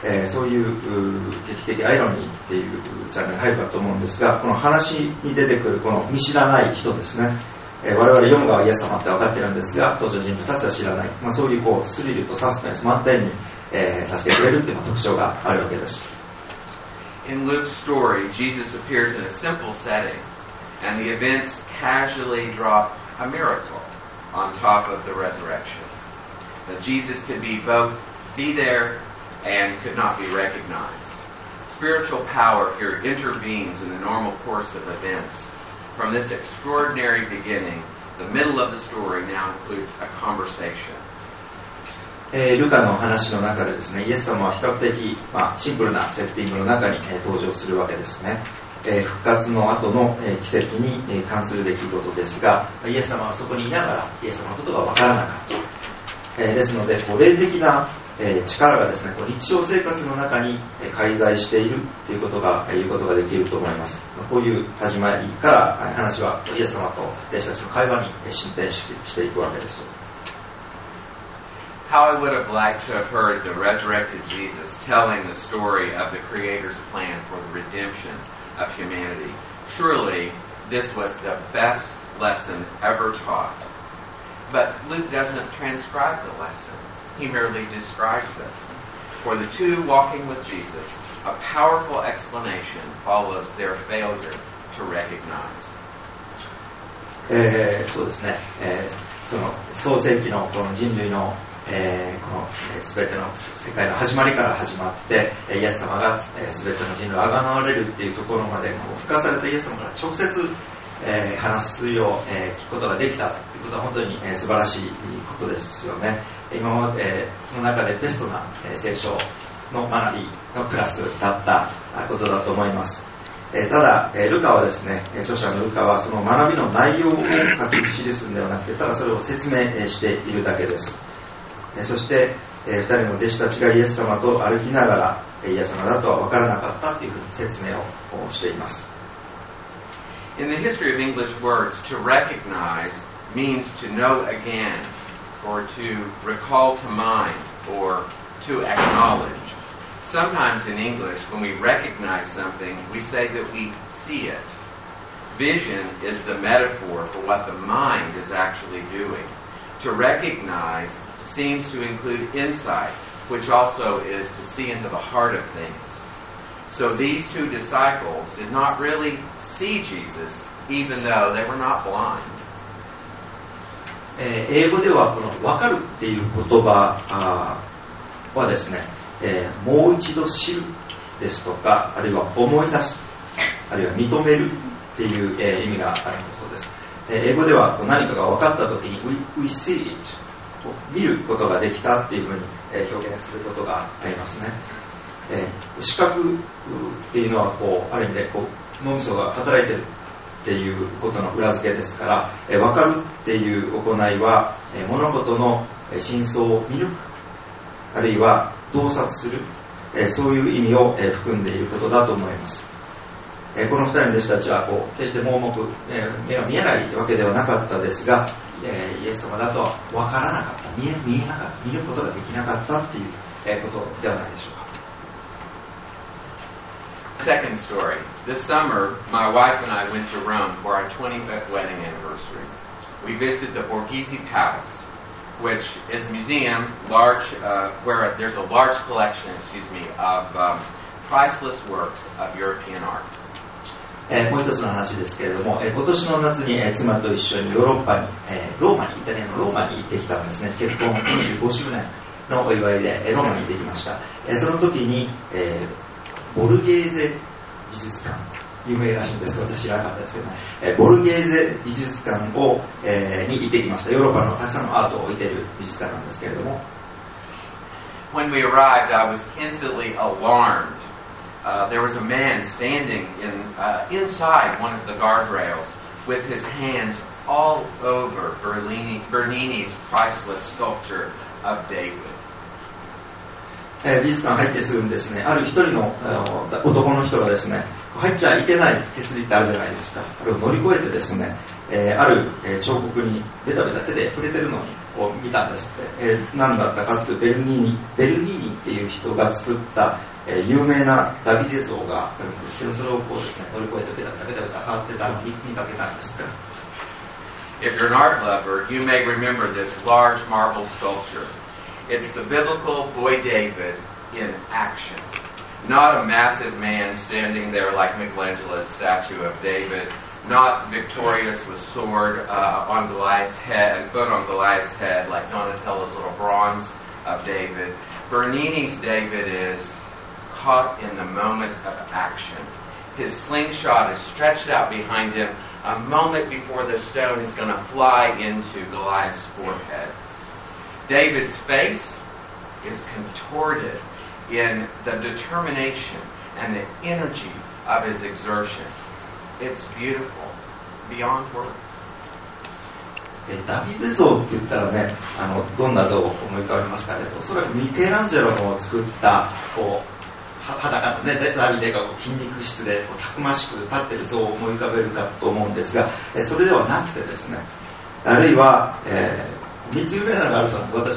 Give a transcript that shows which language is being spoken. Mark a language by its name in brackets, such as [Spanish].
[Japanese] そういう劇的アイロニーっていうジャンルに入るかと思うんですが、この話に出てくるこの見知らない人ですね、我々読む側イエス様って分かってるんですが、登場人物たちは知らない、そういうこうスリルとサスペンス満点に、させてくれるっていうのが特徴があるわけです。 [English] In Luke's story, Jesus appears in a simple setting, and the events casually drop a miracle on top of the resurrection. That Jesus could be both be thereand could not be recognized. Spiritual power here intervenes in the normal course of events. From this extraordinary beginning, the middle of the story now includes a conversation. [Japanese] ルカの話の中でですね、イエス様は比較的、シンプルなセッティングの中に、登場するわけですね。復活の後の、奇跡に、関する出来事ですが、イエス様はそこにいながらイエス様のことがわからなかった。ですので、こう霊的な力がですね、この日常生活の中に介在しているということが言うことができると思います。こういう始まりから話はイエス様と弟子たちの会話に進展していくわけです。 [English] How I would have liked to have heard the resurrected Jesus telling the story of the Creator's plan for the redemption of humanity. Surely, this was the best lesson ever taught. But Luke doesn't transcribe the lesson. He merely describes it. For the two walking with Jesus, a powerful explanation follows their failure to recognize. [Japanese] そうですね。その創世記のこの人類の、この全ての世界の始まりから始まって、イエス様が全ての人類をあがなわれるっていうところまで、こう付加されたイエス様から直接、話すよう、聞くことができたということは本当に、素晴らしいことですよね。今まで、の中でベストな、聖書の学びのクラスだったことだと思います。ただルカはですね、著者のルカはその学びの内容を書き記すのではなくて、ただそれを説明しているだけです。そして2人の弟子たちがイエス様と歩きながらイエス様だとは分からなかったというふうに説明をしています。 [English] In the history of English words, to recognize means to know again or to recall to mind or to acknowledge. Sometimes in English, when we recognize something, we say that we see it. Vision is the metaphor for what the mind is actually doing. To recognize seems to include insight, which also is to see into the heart of things. So these two disciples did not really see Jesus, even though they were not blind. [Japanese] 英語ではこの分かるっていう言葉はですね、もう一度知るですとか、あるいは思い出す、あるいは認めるっていう、意味があるんだそうです。英語では何かが分かった時に [English] we see it、 [Japanese] 見ることができたっていうふうに表現することがありますね。視覚っていうのはこうある意味でこう脳みそが働いてるっていうことの裏付けですから、分かるっていう行いは物事の真相を見る、あるいは洞察する、そういう意味を含んでいることだと思います。この二人の弟子たちはこう決して盲目、目は見えないわけではなかったですが、イエス様だとは分からなかった、見えなかった、見ることができなかったっていうことではないでしょうか。 [English] Second story. This summer, my wife and I went to Rome for our 25th wedding anniversary. We visited the Borghese Palace, which is a museum large, where there's a large collection, of priceless works of European art. [Japanese] もう一つの話ですけれども、今年の夏に妻と一緒にヨーロッパに、ローマに、イタリアのローマに行ってきたんですね。結婚25周年のお祝いでローマに行ってきました。その時に、ボルゲーゼ美術館、有名らしいんですが私知らなかったですけどね、ボルゲーゼ美術館を、に行ってきました。ヨーロッパのたくさんのアートを置いている美術館なんですけれども、 [English] When we arrived I was instantly alarmed. There was a man standing in, inside one of the guardrails with his hands all over Bernini's priceless sculpture of David. [Japanese] 美術館入ってすぐにですね、ある一人の男の人がですね、入っちゃいけない手すりってあるじゃないですか、あれを乗り越えてですね、ある彫刻にベタベタ手で触れてるのを見たんですって。何だったかっていうと、ベルニーニっていう人が作った有名なダビデ像があるんですけど、それをこうですね、乗り越えてベタベタ触ってたのを見かけたんですって。 [English] If you're an art lover, you may remember this large marble sculptureIt's the biblical boy David in action. Not a massive man standing there like Michelangelo's statue of David. Not victorious with sword on Goliath's head, foot on Goliath's head like Donatello's little bronze of David. Bernini's David is caught in the moment of action. His slingshot is stretched out behind him a moment before the stone is going to fly into Goliath's forehead. David's face is contorted in the determination and the energy of his exertion. It's beautiful, beyond words. [Japanese] ダビデ像って言ったらね、どんな像を思い浮かべますかね。おそらくミケランジェロの作ったこう裸の、ね、ダビデがこう筋肉質でこうたくましく立っている像を思い浮かべるかと思うんですが、それではなくてですね、あるいは、3つ有名なのがあるそうなんです。